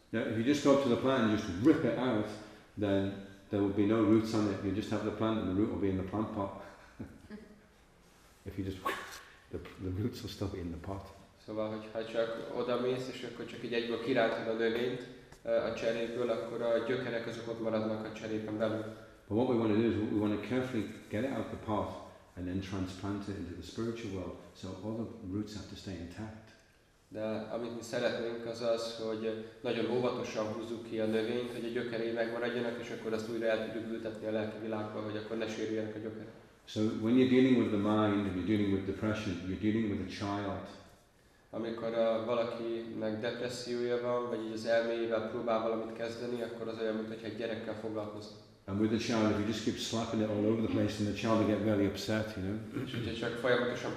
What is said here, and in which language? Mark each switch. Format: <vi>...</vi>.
<en>Now, if you just go up to the plant and just rip it out, then there will be no roots on it. You just have the plant and the root will be in the plant pot. If you just the roots will still be in the pot.</en> <hu>Szóval, hogyha csak odamész, és akkor csak így egyből kirántod a növényt a cseréből, akkor a gyökerek azok ott maradnak a cserében belül.</hu> <en>But what we want to do is we want to carefully get it out of the pot and then transplant it into the spiritual world, so all the roots have to stay intact.</en> <hu>De amit mi szeretnénk, az az, hogy nagyon óvatosan húzzuk ki a növényt, hogy a gyökerei megmaradjanak, és akkor azt újra el tudjuk ültetni a lelki világba, hogy akkor ne sérüljenek a gyökerek.</hu> <en>So when you're dealing with the mind and you're dealing with depression, you're dealing with a child.</en> <hu>Amikor valakinek depressziója van, vagy így az elméjével próbál valamit kezdeni, akkor az olyan, mintha egy gyerekkel foglalkozna.</hu> <en>And with the child, if you just keep slapping it all over the place, then the child will get really upset, you know.</en>